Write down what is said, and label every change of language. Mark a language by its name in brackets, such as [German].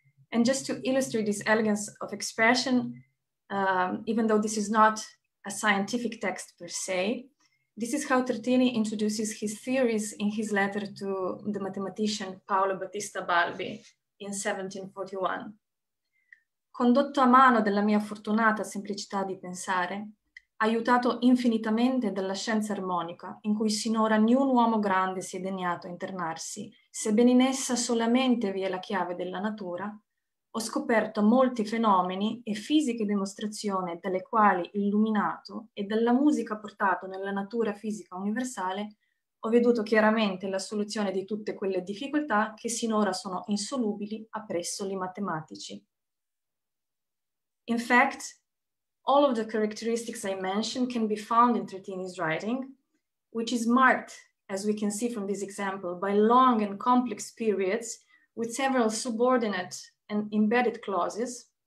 [English] And just to illustrate this elegance of expression, even though this is not a scientific text per se, this is how Tartini introduces his theories in his letter to the mathematician Paolo Battista Balbi, in 1741. [Italian] Condotto a mano dalla mia fortunata semplicità di pensare, aiutato infinitamente dalla scienza armonica, in cui sinora nessun uomo grande si è degnato a internarsi, sebbene in essa solamente vi è la chiave della natura, ho scoperto molti fenomeni e fisiche dimostrazioni dalle quali, illuminato e dalla musica portato nella natura fisica universale, ho veduto chiaramente la soluzione di tutte quelle difficoltà che sinora sono insolubili appresso li matematici. [English] In fact, all of the characteristics I mentioned can be found in Tartini's writing, which is marked, as we can see from this example, by long and complex periods with several subordinate and embedded clauses.